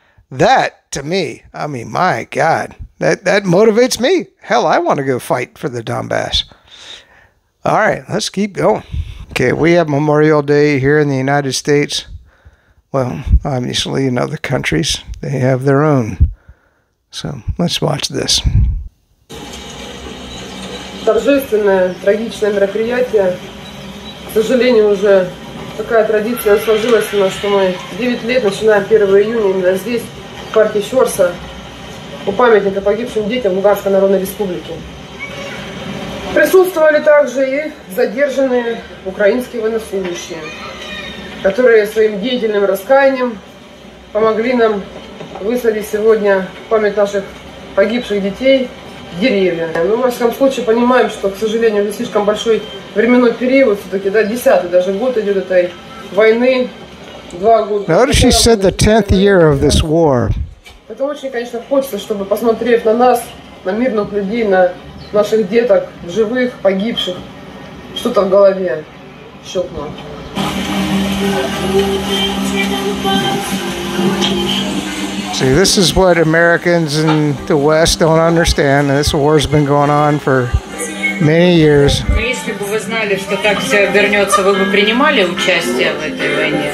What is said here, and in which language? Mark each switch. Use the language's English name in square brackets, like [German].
[English] That to me, I mean, my God, that motivates me. Hell, I want to go fight for the Donbass. All right, let's keep going. Okay, we have Memorial Day here in the United States. Well, obviously in other countries, they have their own. So let's watch this. [Russian] Торжественное, трагичное мероприятие. К сожалению, уже такая традиция сложилась у нас, что мы 9 лет, начиная 1 июня, именно здесь, в парке Щорса, у памятника погибшим детям Луганской Народной Республики. Присутствовали также и задержанные украинские военнослужащие, которые своим деятельным раскаянием помогли нам высадить сегодня в память наших погибших детей в деревья. Мы, во всяком случае, понимаем, что, к сожалению, не слишком большой временной период, все-таки, да, 10-й даже год идет этой войны, 2 года. [English] Notice she said the 10th year of this war. [Russian] Это очень, конечно, хочется, чтобы, посмотрев на нас, на мирных людей, на наших деток, живых, погибших, что-то в голове щелкнуло. [English] See, this is what Americans in the West don't understand. This war has been going on for many years. [Russian] Если бы вы знали, что так все обернется, вы бы принимали участие в этой войне?